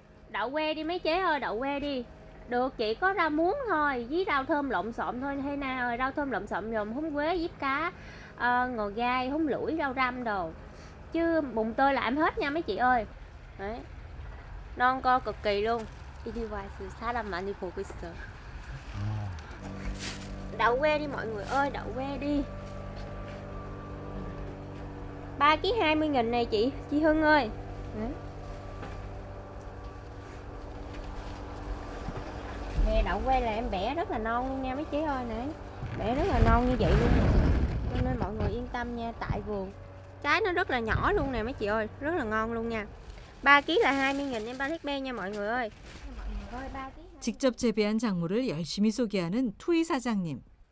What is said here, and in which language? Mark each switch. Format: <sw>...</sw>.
<vi>đậu que đi mấy chế ơi, đậu que đi. Được chỉ có rau muống thôi, với rau thơm lộn xộn thôi. Hay nào, rau thơm lộn xộn gồm húng quế, diếp cá, ngò gai, húng lũi, rau răm đồ. Chứ bụng tôi là em hết nha mấy chị ơi. Đấy. Non co cực kỳ luôn.</vi> <ko>Edelweiss 사람 많이 보고 있어.</ko> <vi>Đậu que đi mọi người ơi, đậu que đi. 3,20kg này chị Hưng ơi. Nè đậu que là em bẻ rất là non luôn nha mấy chế ơi nè. Bẻ rất là non như vậy luôn. Cho nên mọi người yên tâm nha, tại vườn. Trái nó rất là nhỏ luôn nè mấy chị ơi, rất là ngon luôn nha. 3kg là 20.000 em 3kg nha mọi người ơi.</vi> <ko>직접 재배한 작물을 열심히 소개하는 투이 사장님.</ko>